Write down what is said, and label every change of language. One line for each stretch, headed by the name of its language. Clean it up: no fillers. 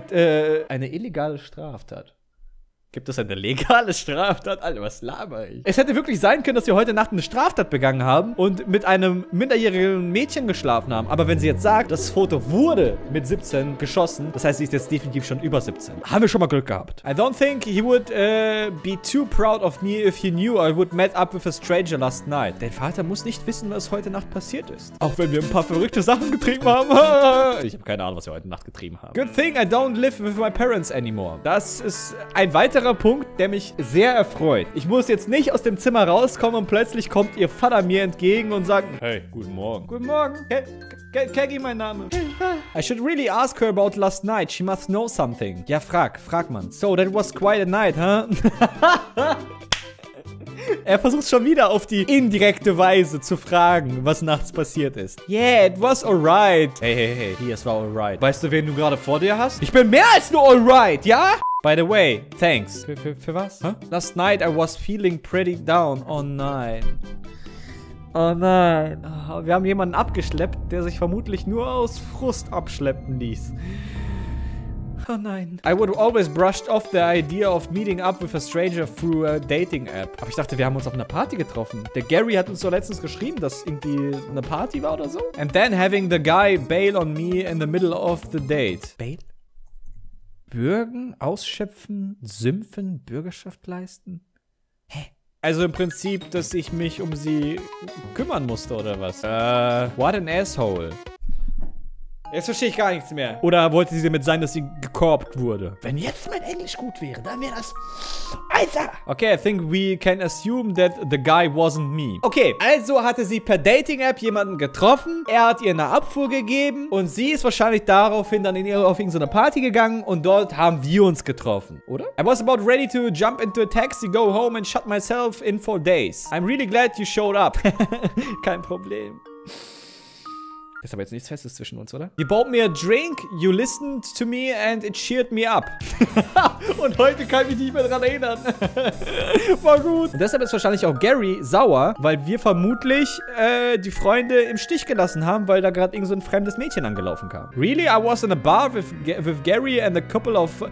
German: Eine illegale Straftat? Gibt es eine legale Straftat? Alter, was laber ich? Es hätte wirklich sein können, dass wir heute Nacht eine Straftat begangen haben und mit einem minderjährigen Mädchen geschlafen haben. Aber wenn sie jetzt sagt, das Foto wurde mit 17 geschossen, das heißt, sie ist jetzt definitiv schon über 17. Haben wir schon mal Glück gehabt.
English: I don't think he would be too proud of me if he knew I would met up with a stranger last night.
German: Dein Vater muss nicht wissen, was heute Nacht passiert ist. Auch wenn wir ein paar verrückte Sachen getrieben haben. Ich habe keine Ahnung, was wir heute Nacht getrieben haben.
English: Good thing I don't live with my parents anymore.
German: Das ist ein weiterer Punkt, der mich sehr erfreut. Ich muss jetzt nicht aus dem Zimmer rauskommen und plötzlich kommt ihr Vater mir entgegen und sagt: Hey, guten Morgen. Guten Morgen. Keggy, mein Name.
English: I should really ask her about last night. She must know something.
German: Ja, frag man.
English: So, that was quite a night, huh?
German: Er versucht schon wieder auf die indirekte Weise zu fragen, was nachts passiert ist.
English: Yeah, it was alright. Hey,
German: hier, es war alright. Weißt du, wen du gerade vor dir hast? Ich bin mehr als nur alright, ja?
English: By the way, thanks.
German: Für was?
English: Huh? Last night I was feeling pretty down.
German: Oh nein. Oh nein. Wir haben jemanden abgeschleppt, der sich vermutlich nur aus Frust abschleppen ließ. Oh nein.
English: I would always brushed off the idea of meeting up with a stranger through a dating app.
German: Aber ich dachte, wir haben uns auf einer Party getroffen. Der Gary hat uns so letztens geschrieben, dass irgendwie eine Party war oder so.
English: And then having the guy bail on me in the middle of the date.
German: Bail? Bürgen, ausschöpfen, sümpfen, Bürgerschaft leisten? Hä? Also im Prinzip, dass ich mich um sie kümmern musste oder was?
English: What an asshole.
German: Jetzt verstehe ich gar nichts mehr. Oder wollte sie damit sein, dass sie gekorbt wurde? Wenn jetzt mein eigentlich gut wäre, dann wäre das... Alter!
English: Okay, I think we can assume that the guy wasn't me.
German: Okay, also hatte sie per Dating-App jemanden getroffen, er hat ihr eine Abfuhr gegeben und sie ist wahrscheinlich daraufhin dann in ihre, auf irgendeine Party gegangen und dort haben wir uns getroffen, oder?
English: I was about ready to jump into a taxi, go home and shut myself in for days. I'm really glad you showed up.
German: Kein Problem. Das ist aber jetzt nichts Festes zwischen uns, oder?
English: You bought me a drink, you listened to me and it cheered me up.
German: Und heute kann ich mich nicht mehr dran erinnern. War gut. Und deshalb ist wahrscheinlich auch Gary sauer, weil wir vermutlich die Freunde im Stich gelassen haben, weil da gerade irgend so ein fremdes Mädchen angelaufen kam.
English: Really? I was in a bar with Gary and a couple of...